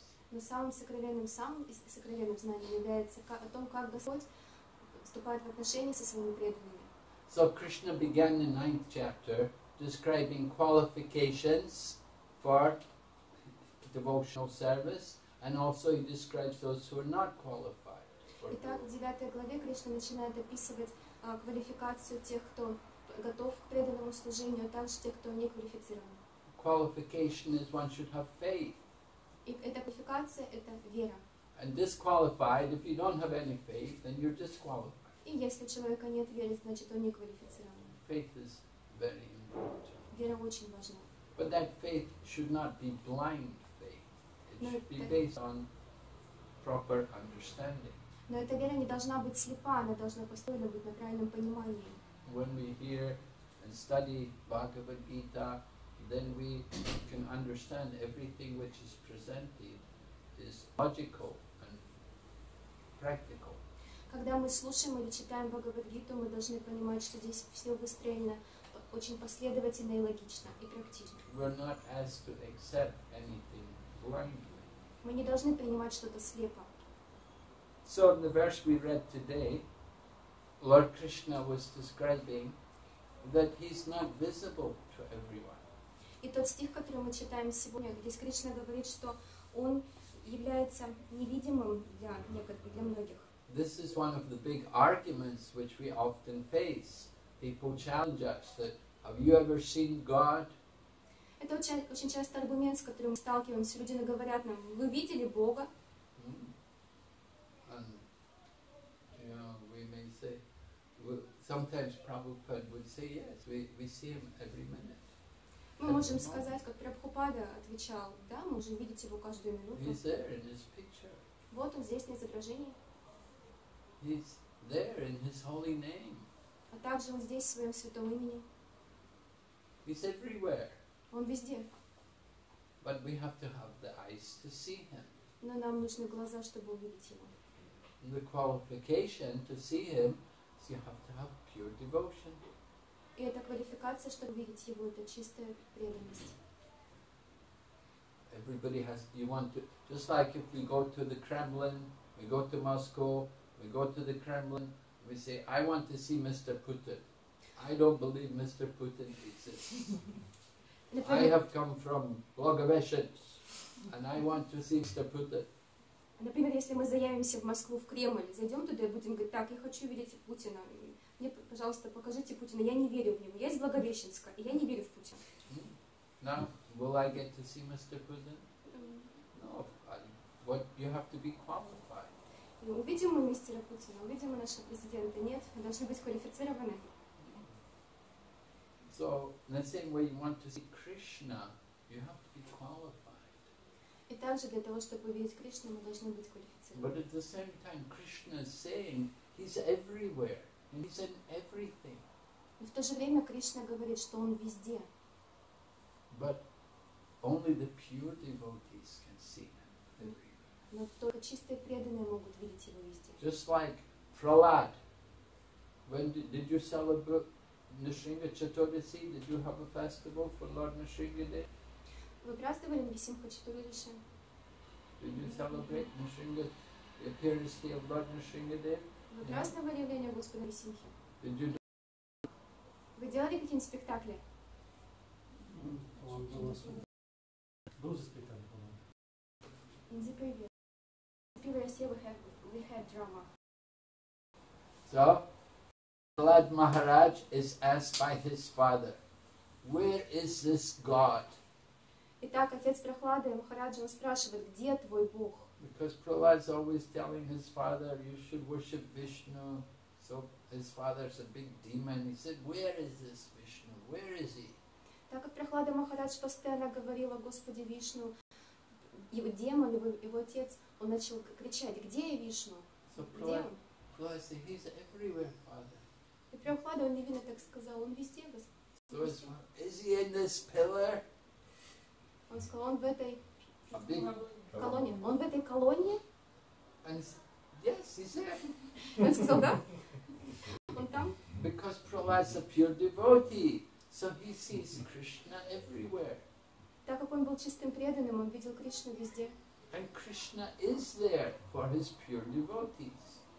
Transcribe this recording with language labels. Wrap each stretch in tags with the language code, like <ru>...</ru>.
<ru>Но самым сокровенным знанием является о том, как Господь вступает в отношения со своими преданными.</ru> <en>So Krishna began the 9th chapter describing qualifications for devotional service, and also he describes those who are not qualified.</en> <ru>Итак, в 9 главе Кришна начинает описывать квалификацию тех, кто готов к преданному служению, а также тех, кто не квалифицирован.</ru> <en>Qualification is one should have faith.</en> <ru>И эта квалификация – это вера.</ru> <en>And disqualified, if you don't have any faith, then you're disqualified.</en> <ru>И если у человека нет веры, значит он не квалифицирован.</ru> <en>Faith is very important.</en> <ru>Вера очень важна.</ru> <en>But that faith should not be blind faith. It should be based on proper understanding.</en> <ru>Но эта вера не должна быть слепа, она должна построена быть на правильном понимании.</ru> <en>When we hear and study Bhagavad Gita, then we can understand everything which is presented is logical and practical.</en> <ru>Когда мы слушаем или читаем Бхагавад-гиту, мы должны понимать, что здесь все выстроено очень последовательно и логично и практично.</ru> <en>We're not asked to accept anything blindly.</en> <ru>Мы не должны принимать что-то слепо.</ru> <en>So in the verse we read today, Lord Krishna was describing that he's not visible to everyone.</en> <ru>И тот стих, который мы читаем сегодня, где Кришна говорит, что он является невидимым для многих.</ru> <en>This is one of the big arguments which we often face. People challenge us that, have you ever seen God?</en> <ru>Это очень часто аргумент, с которым мы сталкиваемся. Люди говорят нам, вы видели Бога?</ru> <en>And, you know, we may say, sometimes Prabhupada would say, yes, we see him every minute.</en> <ru>Мы можем сказать, как Прабхупада отвечал, да, мы можем видеть его каждую минуту.</ru> <en>He's there in his picture.</en> <ru>Вот он здесь на изображении.</ru> <en>He's there in his holy name.</en> <ru>А также он здесь в своем святом имени.</ru> <en>He's everywhere.</en> <ru>Он везде.</ru> <en>But we have to have the eyes to see him.</en> <ru>Но нам нужны глаза, чтобы увидеть его.</ru> <en>The qualification to see him is you have to have pure devotion.</en> <ru>И это квалификация, чтобы видеть его, это чистая преданность.</ru> <en>Everybody has, you want to, just like if we go to the Kremlin, we go to Moscow, we go to the Kremlin, we say, I want to see Mr. Putin. I don't believe Mr. Putin exists. I have come from Благовещенск, and I want to see Mr. Putin.</en> <ru>Например, если мы заявимся в Москву, в Кремль, зайдем туда и будем говорить, так, я хочу видеть Путина. Мне, пожалуйста, покажите Путина, я не верю в него. Я из Благовещенска, и я не верю в Путина.</ru> <en>Now, will I get to see Mr. Putin? No, what, you have to be qualified.</en> <ru>И увидим мы мистера Путина, увидим мы нашего президента. Нет, мы должны быть квалифицированы.</ru> <en>So, in the same way you want to see Krishna, you have to be qualified.</en> <ru>И также для того, чтобы увидеть Кришну, мы должны быть квалифицированы.</ru> <en>But at the same time, Krishna is saying, he's everywhere, and he's in everything.</en> <ru>Но в то же время Кришна говорит, что он везде.</ru> <en>But only the pure devotees can see him everywhere.</en> <ru>Но только чистые преданные могут видеть его везде.</ru> <en>Just like Prahlad, when did you celebrate Nrisimha Chaturdashi? Did you have a festival for Lord Nrisimha Day?</en> <ru>Вы праздновали Нрисимха Чатурдаши?</ru> <en>Did you celebrate Nrisimha, the appearance day of Lord Nrisimha Day?</en> <ru>Вы праздновали явление Господа Нрисимхи?</ru> <en>Did you?</en> <ru>Вы делали какие-нибудь спектакли? Был за спектакль, по-моему.</ru> <en>In the previous year we had drama. So? Prahlad Maharaj is asked by his father, where is this God?</en> <ru>Итак, отец Прохлады Махараджа спрашивает, где твой Бог?</ru> <en>Because Prahlad is always telling his father, you should worship Vishnu. So his father is a big demon. He said, where is this Vishnu? Where is he?</en> <ru>Так как Прохлада Махарадж постоянно говорил о Господе Вишну, его демон, его отец, он начал кричать, где я Вишну?</ru> <en>So Prahlad said, he's everywhere, father.</en> <ru>И Прохлада, он невинно так сказал, он везде, Господи.</ru> <en>So is he in this pillar?</en> <ru>Он сказал, он в этой колонии. Он в этой колонии?</ru> <en>And yes, he's there.</en> <ru>Он сказал, да? Он там?</ru> <en>Because Prahlad is a pure devotee, so he sees Krishna everywhere.</en> <ru>Так как он был чистым преданным, он видел Кришну везде.</ru> <en>And Krishna is there for his pure devotees.</en>